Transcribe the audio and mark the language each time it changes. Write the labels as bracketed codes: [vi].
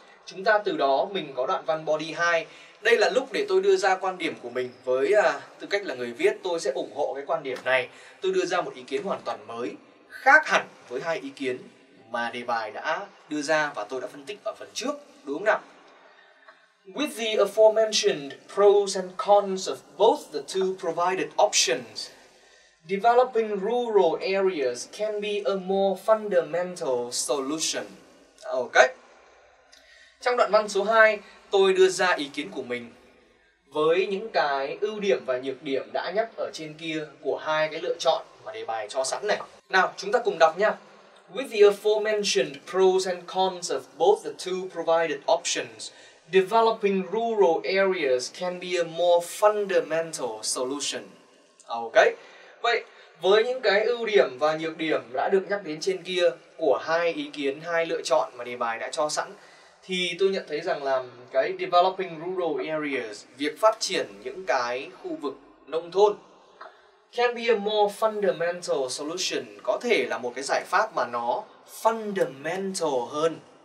[vi] Chúng ta từ đó mình có đoạn văn body 2. Đây là lúc để tôi đưa ra quan điểm của mình với tư cách là người viết. Tôi sẽ ủng hộ cái quan điểm này. Tôi đưa ra một ý kiến hoàn toàn mới, khác hẳn với hai ý kiến mà đề bài đã đưa ra và tôi đã phân tích ở phần trước, đúng không nào? [en] With the aforementioned pros and cons of both the two provided options, developing rural areas can be a more fundamental solution. Ok. [vi] Trong đoạn văn số 2, tôi đưa ra ý kiến của mình với những cái ưu điểm và nhược điểm đã nhắc ở trên kia của hai cái lựa chọn mà đề bài cho sẵn này. Nào, chúng ta cùng đọc nhé. [en] With the aforementioned pros and cons of both the two provided options, developing rural areas can be a more fundamental solution. Ok. [vi] Vậy, với những cái ưu điểm và nhược điểm đã được nhắc đến trên kia của hai ý kiến, hai lựa chọn mà đề bài đã cho sẵn, thì tôi nhận thấy rằng là cái [en] developing rural areas, [vi] việc phát triển những cái khu vực nông thôn, [en] can be a more fundamental solution, [vi] có thể là một cái giải pháp mà nó fundamental hơn.